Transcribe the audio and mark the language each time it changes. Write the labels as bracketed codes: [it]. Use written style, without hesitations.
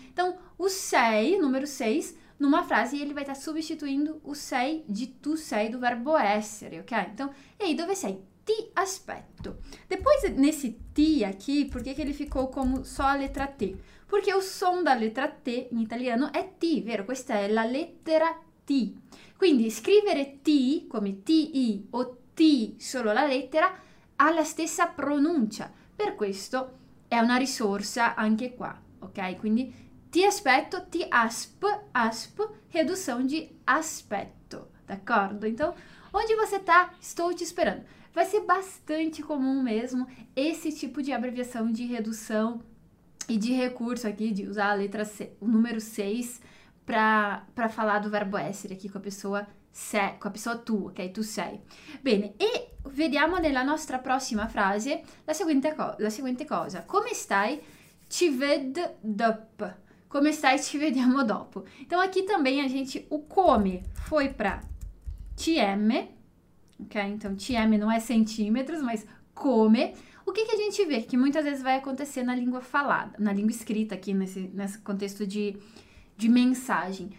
[pt] Então, o sei, número 6, numa frase, ele vai estar substituindo o sei de tu sei do verbo essere, ok? Então, [it] ei, dove sei? Ti aspetto. [pt] Depois, nesse ti aqui, por que que ele ficou como só a letra T? Porque o som da letra T em italiano é ti, vero? [it] Questa é la lettera ti. Quindi, scrivere ti, come ti o ti, solo la lettera, ha la stessa pronuncia. Per questo è una risorsa anche qua, ok? Quindi, ti aspetto, ti asp, [pt] redução de [it] aspetto, d'accordo? [pt] Então, onde você tá? Estou te esperando. Vai ser bastante comum mesmo esse tipo de abreviação de redução e de recurso aqui, de usar a letra C, o número 6, para falar do verbo essere aqui com a pessoa sé, com a pessoa tua, ok? [it] Tu sei. Bene, e vediamo nella nostra prossima frase la seguente cosa. Come stai? Ci ved dop. Come stai? Ci vediamo dopo. [pt] Então aqui também a gente o come foi para TM, ok? Então TM não é centímetros, mas come. O que que a gente vê que muitas vezes vai acontecer na língua falada, na língua escrita aqui nesse contexto de mensagem?